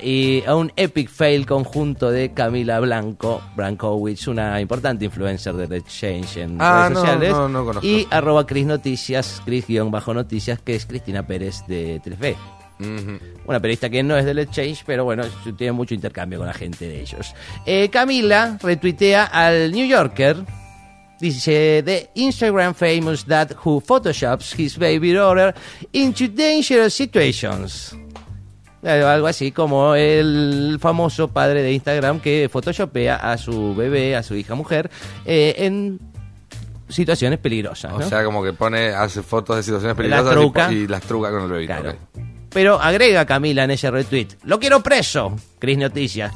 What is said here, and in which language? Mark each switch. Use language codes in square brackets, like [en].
[es] Y a un epic fail conjunto de Camila Blanco, Brankowicz, una importante influencer de The Change en redes sociales. No, no conozco. Y arroba Cris Noticias, Cris-Noticias, que es Cristina Pérez de Telefe. Uh-huh. Una periodista que no es del Exchange, pero bueno, tiene mucho intercambio con la gente de ellos. Camila retuitea al New Yorker. Dice: [en] the Instagram famous dad who photoshops his baby daughter into dangerous situations. [es] Algo así como el famoso padre de Instagram que photoshopea a su bebé, a su hija mujer, en situaciones peligrosas, ¿no? O sea, como que hace fotos de situaciones peligrosas y las truca con el bebé. Claro. Okay. Pero agrega Camila en ese retweet: lo quiero preso, Cris Noticias.